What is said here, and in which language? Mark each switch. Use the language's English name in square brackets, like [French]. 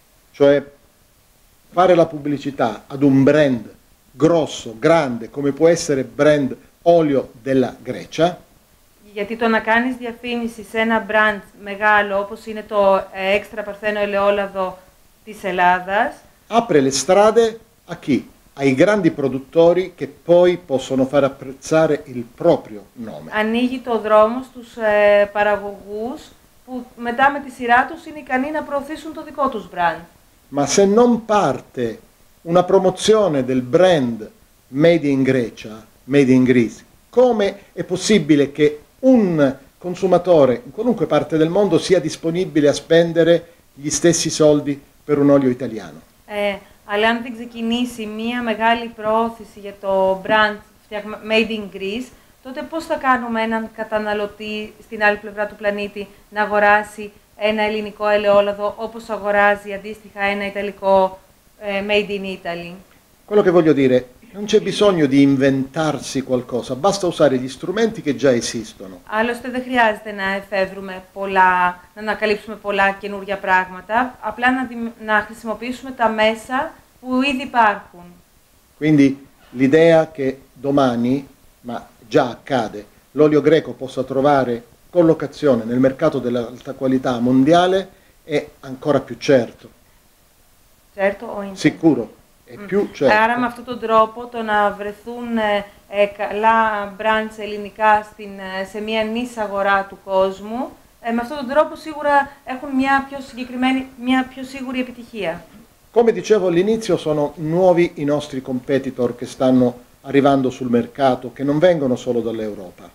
[Italian] Cioè, fare la pubblicità ad un brand grosso, grande, come può essere brand olio della Grecia. [Greek] Γιατί το να κάνεις διαφήμιση σε ένα brand μεγάλο, όπως είναι το έξτρα παρθένο ελαιόλαδο της Ελλάδας, [Italian] apre le strade a chi? Ai grandi produttori che poi possono far apprezzare il proprio nome. [Greek] Ανοίγει το δρόμο στους παραγωγούς που μετά με τη σειρά τους είναι ικανοί να προωθήσουν το δικό τους brand. [Italian] Ma se non parte una promozione del brand Made in Grecia, Made in Greece, come è possibile che un consumatore in qualunque parte del mondo sia disponibile a spendere gli stessi soldi per un olio italiano? [Greek] Αλλά αν δεν ξεκινήσει μία μεγάλη προώθηση για το brand Made in Greece, τότε πώς θα κάνουμε έναν καταναλωτή στην άλλη πλευρά του πλανήτη να αγοράσει ένα ελληνικό ελαιόλαδο όπως αγοράζει αντίστοιχα ένα ιταλικό Made in Italy. [Italian] Quello che voglio dire, non c'è bisogno di inventarsi qualcosa, basta usare gli strumenti che già esistono. [Greek] Άλλωστε δεν χρειάζεται να εφεύρουμε πολλά, να ανακαλύψουμε πολλά καινούργια πράγματα, απλά να χρησιμοποιήσουμε τα μέσα που ήδη υπάρχουν. [Italian] Quindi l'idea che domani, ma già accade, l'olio greco possa trovare collocazione nel mercato dell'alta qualità mondiale è ancora più certo. Certo o intanto? Sicuro. Più certo. [Greek] Άρα με αυτόν τον τρόπο το να βρεθούν καλά μπραντς ελληνικά σε μια νης αγορά του κόσμου, με αυτόν τον τρόπο σίγουρα έχουν μια πιο συγκεκριμένη, μια πιο σίγουρη επιτυχία. [Italian] Come dicevo all'inizio, sono nuovi i nostri competitor che stanno arrivando sul mercato, che non vengono solo dall'Europa.